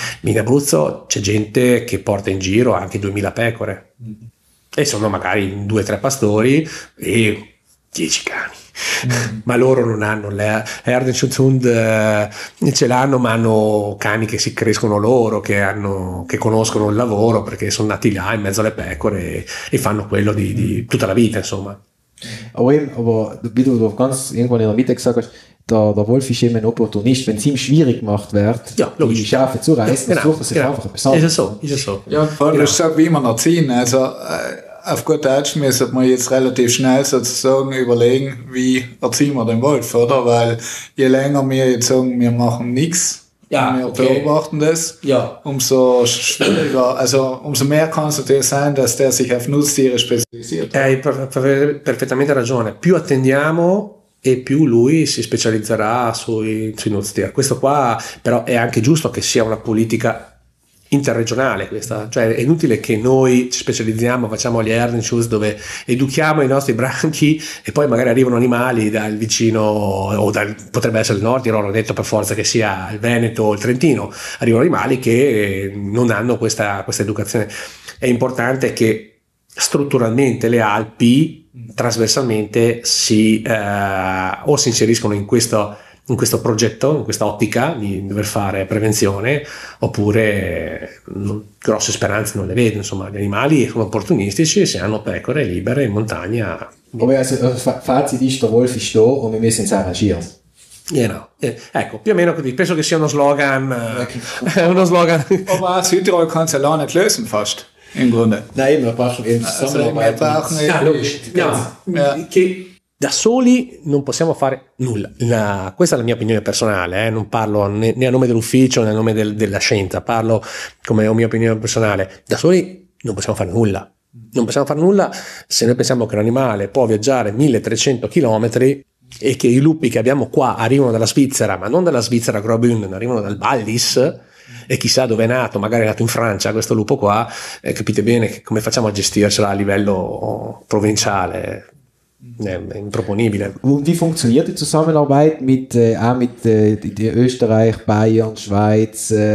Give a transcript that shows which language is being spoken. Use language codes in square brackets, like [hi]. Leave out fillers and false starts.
[it] In Abruzzo c'è gente che porta in giro anche 2000 pecore. E sono magari due o tre pastori e 10 cani. Ma loro non hanno l'Herdenschutzhund, ce l'hanno, ma hanno cani che si crescono loro, che conoscono il lavoro perché sono nati là in mezzo alle pecore e fanno quello di tutta la vita, insomma. [de] Aber wie du ganz irgendwann in der Mitte gesagt hast, der Wolf ist eben ein Opportunist, wenn es ihm schwierig gemacht wird, ja, die Schafe zu reißen, ja, genau, sucht er sich genau. Einfach ein besonderes. Ist es so, ist es so. Ja, voll, genau. Das ist so, wie man erziehen. Also auf gut Deutsch müsste man jetzt relativ schnell sozusagen überlegen, wie erziehen wir den Wolf, oder? Weil je länger wir jetzt sagen, wir machen nichts, ja, wir okay. beobachten das, ja. umso schwieriger, also umso mehr kann es natürlich sein, dass der sich auf Nutztiere spezialisiert. [it] Hai perfettamente ragione. Più attendiamo e più lui si specializzerà sui nutztiere. Questo qua però è anche giusto che sia una politica interregionale questa, cioè è inutile che noi ci specializziamo, facciamo gli Herdenschutz dove educhiamo i nostri branchi e poi magari arrivano animali dal vicino o dal, potrebbe essere il nord, non ho detto per forza che sia il Veneto o il Trentino, arrivano animali che non hanno questa educazione. È importante che strutturalmente le Alpi trasversalmente o si inseriscono in questo progetto, in questa ottica di dover fare prevenzione, oppure grosse speranze non le vedo, insomma, gli animali sono opportunistici, se hanno pecore libere in montagna. [de] Vabbè, Fazit ist, der Wolf ist da und wir müssen arrangieren. [en] Yeah, no. [it] Ecco, più o meno così, penso che sia uno slogan, okay. uno slogan. [de] Aber Südtirol kannst du ja nicht lösen fast. Im Grunde. Nein, wir brauchen Zusammenarbeit. Ja, logisch. [it] Ja, che da soli non possiamo fare nulla. Questa è la mia opinione personale, non parlo né a nome dell'ufficio né a nome della scienza, parlo come mia opinione personale. Da soli non possiamo fare nulla. Non possiamo fare nulla se noi pensiamo che un animale può viaggiare 1300 km e che i lupi che abbiamo qua arrivano dalla Svizzera, ma non dalla Svizzera Graubünden, ma arrivano dal Wallis. E chissà dove è nato, magari è nato in Francia questo lupo qua, capite bene come facciamo a gestircela a livello provinciale, è improponibile. [de] Und wie funktioniert die Zusammenarbeit mit Österreich, Bayern, Schweiz?